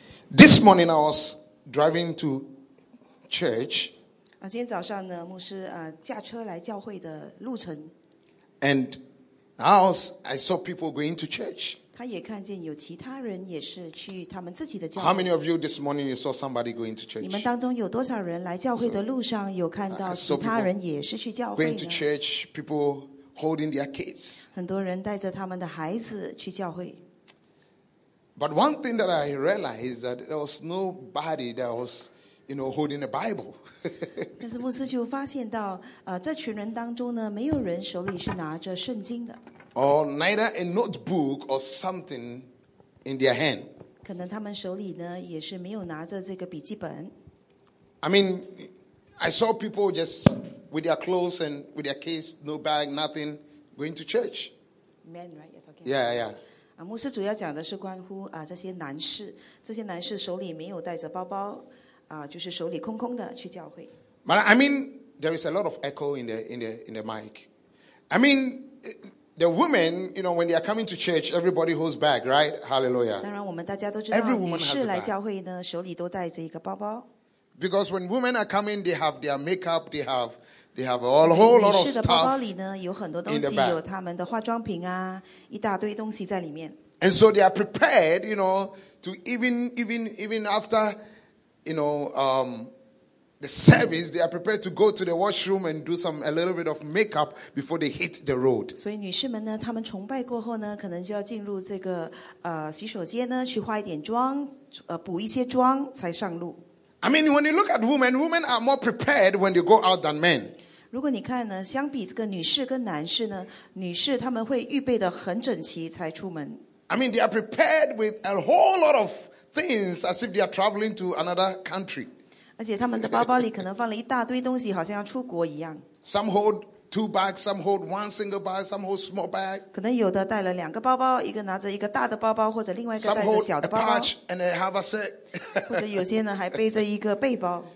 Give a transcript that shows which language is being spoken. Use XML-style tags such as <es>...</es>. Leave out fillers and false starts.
<en>This morning I was driving to church.</en> <zh>今天早上呢, 牧师, 驾车来教会的路程,</zh> <en>and now I saw people going to church.</en> <zh>他也看见有其他人也是去他们自己的教会。</zh> <en>How many of you this morning you saw somebody going to church?</en> <zh>你们当中有多少人来教会的路上有看到其他人也是去教会呢?</zh> <en>Going to church, people holding their kids.</en> <zh>很多人带着他们的孩子去教会。</zh> <en>But one thing that I realized is that there was nobody that was, you know, holding a Bible.</en> <zh>但是牧师就发现到, 这群人当中呢, 没有人手里是拿着圣经的。</zh> <en>Or neither a notebook or something in their hand.</en> <zh>可能他们手里呢也是没有拿着这个笔记本。</zh> <en>I mean, I saw people just with their clothes and with their kids, no bag, nothing, going to church. Men, right? You're talking about. Yeah, yeah.</en> <zh>牧师主要讲的是关乎这些男士手里没有带着包包，就是手里空空的去教会。</zh> <en>But I mean, there is a lot of echo in the mic. I mean, the women, you know, when they are coming to church, everybody holds bag, right? Hallelujah.</en> <zh>当然我们大家都知道,</zh> <en>every woman has a bag.</en> <zh>女士来教会呢, 手里都带着一个包包。</zh> <en>Because when women are coming, they have their makeup, they have a whole lot of stuff.</en> <zh>女士的包包里呢, 有很多东西, 有她们的化妆品啊, 一大堆东西在里面。</zh> <en>And so they are prepared, you know, to even after, you know, the service, they are prepared to go to the washroom and do a little bit of makeup before they hit the road.</en> <zh>所以女士们呢, 她们崇拜过后呢, 可能就要进入这个, 洗手间呢, 去化一点妆, 补一些妆, 才上路。</zh> <en>I mean, when you look at women are more prepared when they go out than men.</en> <zh>如果你看呢, 相比这个女士跟男士呢, 女士她们会预备得很整齐才出门。</zh> <en>I mean, they are prepared with a whole lot of things as if they are traveling to another country.</en> <zh>而且他们的包包里可能放了一大堆东西，好像要出国一样。</zh> <en>Some hold two bags, some hold one single bag, some hold small bag.</en> <zh>可能有的带了两个包包，一个拿着一个大的包包，或者另外一个带着小的包包。</zh> <en>Some hold a pouch and a haversack.</en> <zh>或者有些呢还背着一个背包。</zh>